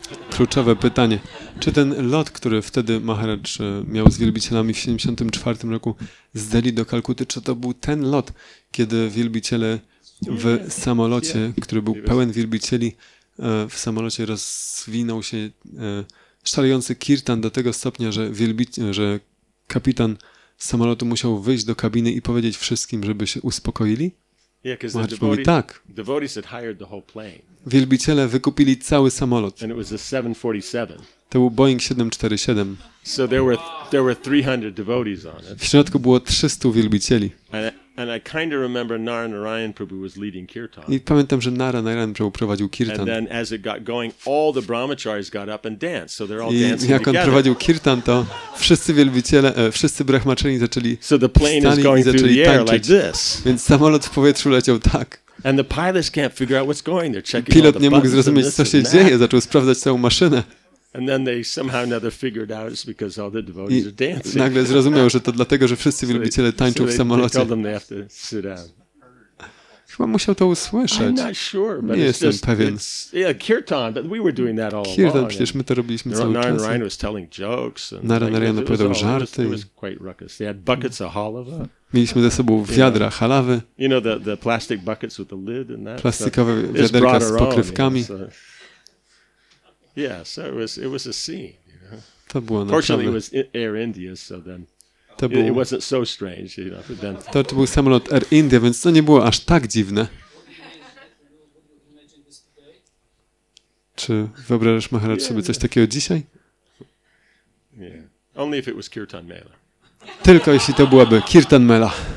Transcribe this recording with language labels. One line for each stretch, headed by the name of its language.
Polish: Kluczowe pytanie. Czy ten lot, który wtedy Maharaj miał z wielbicielami w 1974 roku z Delhi do Kalkuty, czy to był ten lot, kiedy wielbiciele w samolocie, który był pełen wielbicieli, w samolocie rozwinął się szalejący kirtan do tego stopnia, że, że kapitan samolotu musiał wyjść do kabiny i powiedzieć wszystkim, żeby się uspokoili? Maharaj mówi, tak.
English: Devotees had hired the whole plane.
Polish: Wielbiciele wykupili cały samolot.
English: And it was a 747.
Polish: To był Boeing 747.
English: So there were 300 devotees on it.
Polish: W środku było 300 wielbicieli.
English: And I kind of remember Nara Narayan Prabhu was leading kirtan.
Polish: I pamiętam, że Nara Narayan Prabhu prowadził kirtan.
English: And then as it got going, all the brahmacharis got up and danced. So they're all
Polish: I
English: dancing together.
Polish: Jak on prowadził kirtan, to wszyscy wielbiciele, wszyscy brahmacharini zaczęli tańczyć.
English: So the plane is going through the air like this.
Polish: Więc samolot w powietrzu leciał tak.
English: And the pilots can't figure out what's going. They're checking.
Polish: Pilot nie mógł zrozumieć, co się dzieje. Zaczął sprawdzać całą maszynę.
English: And then they somehow another figured out it's because all the devotees are dancing.
Polish: Nagle zrozumiał, że to dlatego, że wszyscy wielbiciele tańczą w samolocie.
English: They told them they have to sit down.
Polish: Chyba musiał to usłyszeć.
English: I'm not sure, but
Polish: nie jestem
English: just,
Polish: pewien.
English: Yeah, kirtan, but we were doing that all along.
Polish: Kirtan, przecież my to robiliśmy cały czas.
English: Narayan was telling jokes.
Polish: Narayan opowiadał żarty.
English: It was quite ruckus. They had buckets of halava.
Polish: Mieliśmy ze sobą wiadra halawy.
English: You know the plastic buckets with the lid and that.
Polish: Plastikowe wiaderka z pokrywkami.
English: Yeah, so it was a scene, you know.
Polish: To było naprawdę.
English: Fortunately, it was Air India, so then it wasn't so strange, you know. Then
Polish: to był samolot Air India, więc to nie było aż tak dziwne. Czy wyobrażasz Maharaj sobie coś takiego dzisiaj?
English: Yeah. Only if it was Kirtan Mela.
Polish: Tylko jeśli to byłaby Kirtan Mela.